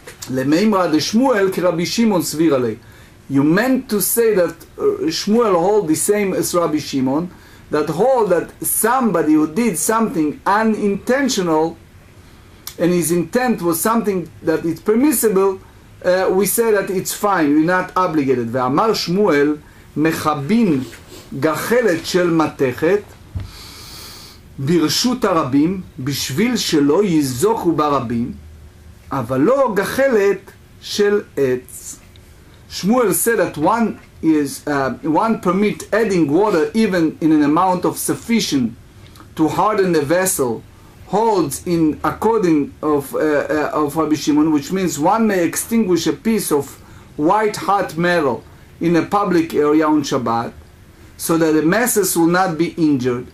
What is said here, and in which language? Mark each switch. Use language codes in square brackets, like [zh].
[arc] Lemeimra de Shmuel ki Rabbi Shimon svir alei. [en] You meant to say that Shmuel hold the same as Rabbi Shimon, that hold that somebody who did something unintentional and his intent was something that is permissible, we say that it's fine, we're not obligated. [he] Ve'amar Shmuel מחבין גחלת של מתכת ברשות הרבים בשביל שלא יזוכו ברבים, אבל לא גחלת של עץ. [en] Shmuel said that one permit adding water even in an amount of sufficient to harden the vessel holds in according of Rabbi Shimon, which means one may extinguish a piece of white hot metal in a public area on Shabbat, so that the masses will not be injured.